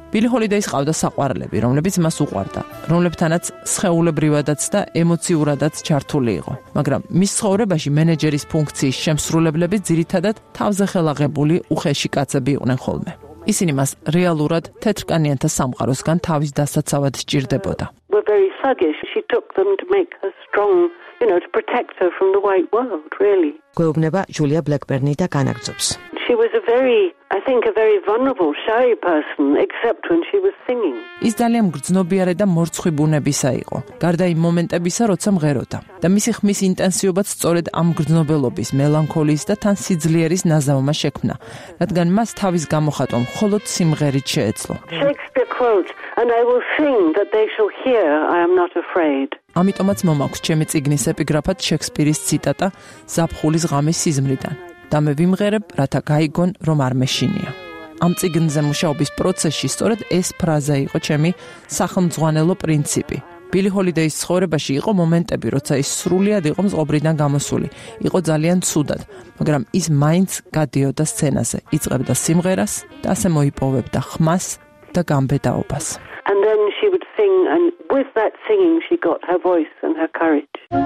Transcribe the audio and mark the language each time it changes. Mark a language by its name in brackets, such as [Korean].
[Georgian] ბილი ჰოლიდეის ყავდა საყვარლები, რომლებიც მას უყვარდა, რომლებთანაც სხეულებრივადაც და ემოციურადაც ჩართული იყო. მაგრამ მის ცხოვრებაში მენეჯერის ფუნქციის შემსრულებლები ძირითადად თავზე ხელაღებული უხეში კაცები იყვნენ ხოლმე. ისინი მას რეალურად თეთრკანიანთა სამყაროსგან თავის დასაცავად სჭირდებოდა. [English] She took them to make her strong, you know, to protect her from the white world, really. [Georgian] გვეუბნება ჯულია ბლეკბერნი და განაგრძობს. [English] She was a very, I think, a very vulnerable, shy person, except when she was singing. [Georgian] ის ძალიან მგრძნობიარე და მორცხვი ბუნებისა იყო, გარდა იმ მომენტებისა, როცა მღეროდა. და მისი ხმის ინტენსივობაც სწორედ ამ მგრძნობელობის, მელანქოლიის და თან სიძლიერის ნაზავმა შექმნა, რადგან მას თავის გამოხატვა მხოლოდ სიმღერით შეეძლო. [English] Shakespeare quote, and I will sing that they shall hear, I am not afraid. [Georgian] ამიტომაც მომაქვს ჩემი წიგნის ეპიგრაფად შექსპირის ციტატა ზაფხულის ღამის სიზმრიდან: და მე ვიმღერებ, რათა გაიგონ, რომ არ მეშინია. ამ წიგნზე მუშაობის პროცესში სწორედ ეს ფრაზა იყო ჩემი სახელმძღვანელო პრინციპი. ბილი ჰოლიდეის ცხოვრებაში იყო მომენტები, როცა ის სრულიად იყო მწყობრიდან გამოსული, იყო ძალიან ცუდად, მაგრამ ის მაინც გადიოდა სცენაზე, იწყებდა სიმღერას და ასე მოიპოვებდა ხმას და გამბედაობას. [English] And then she would sing, and with that singing she got her voice and her courage.